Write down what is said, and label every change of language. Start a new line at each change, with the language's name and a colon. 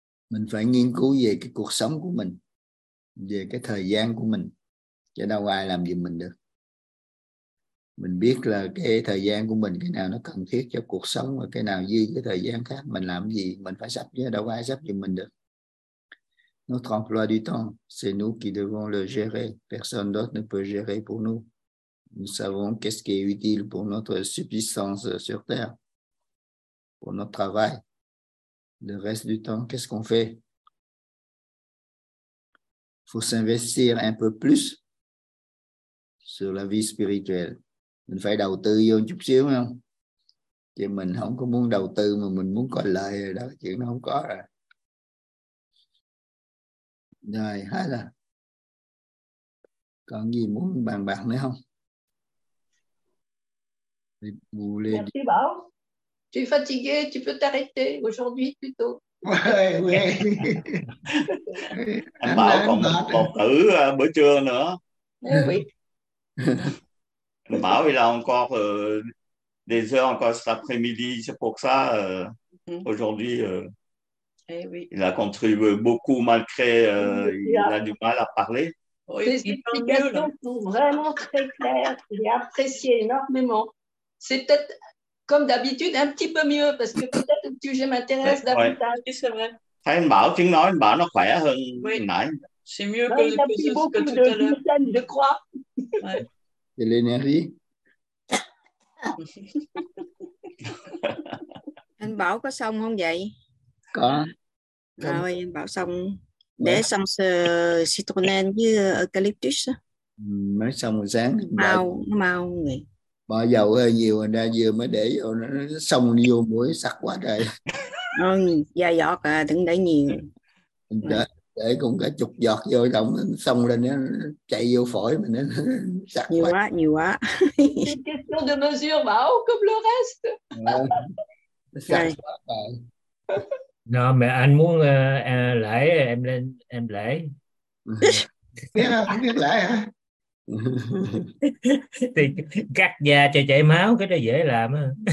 Vietnamese: Mình phải nghiên cứu về cái cuộc sống của mình, về cái thời gian của mình, chứ đâu ai làm gì mình được. Mình biết là cái thời gian của mình, cái nào nó cần thiết cho cuộc sống và cái nào dư cái thời gian khác mình làm gì, mình phải sắp, chứ đâu ai sắp gì mình được.
French: Notre emploi du temps, c'est nous qui devons le gérer. Personne d'autre ne peut gérer pour nous. Nous savons qu'est-ce qui est utile pour notre subsistance sur Terre, pour notre travail. Le reste du temps, qu'est-ce qu'on fait? Il faut s'investir un peu plus sur la vie spirituelle.
Vietnamese: Mình phải đầu tư vô chút xíu không? Chứ mình không có muốn đầu tư mà mình muốn có lợi rồi đó. Chuyện nó không có rồi. Rồi, hết rồi. Còn gì muốn bàn bạc nữa không?
French: Merci bảo. Tu es fatigué, tu peux t'arrêter aujourd'hui plutôt. Oui, oui.
Vietnamese: Anh Bảo còn còn thử bữa trưa nữa.
French: Oui. Anh Bảo il a encore des heures encore cet après-midi, c'est pour ça aujourd'hui. Oui. Il a contribué beaucoup malgré il a du mal à parler. Oui, les explications sont vraiment très claires et appréciées énormément. C'est peut-être comme d'habitude, un petit peu mieux, parce que peut-être que je m'intéresse davantage. Oui, c'est vrai.
Vietnamese: Thấy anh Bảo tiếng nói, anh Bảo nó khỏe hơn.
French: Oui,
Vietnamese: nãy.
French: C'est mieux que, il a pris beaucoup de glucène, je crois. Ouais. De l'énergie.
Vietnamese: Anh Bảo có xong không vậy? Có. Rồi, anh Bảo xong. Để
French: ouais.
Vietnamese: Xong
French: ce citronnel
Vietnamese: với eucalyptus. Mới xong rồi sáng. Mau, nó mau vậy. Bỏ dầu hơi nhiều ra vừa mới để vô nó xong vô mũi sặc quá trời. Ừ, da giọt à, đừng để nhiều. Để cũng cả chục giọt vô trong xong lên nó chạy vô phổi mình nó sặc nhiều quá, nhiều quá.
French: Question de mesure bảo comme le reste.
Vietnamese: Sặc quá trời. Nó mẹ anh muốn lấy em lên em lấy. Biết lấy hả? Thì cắt da cho chảy máu cái đó dễ làm á.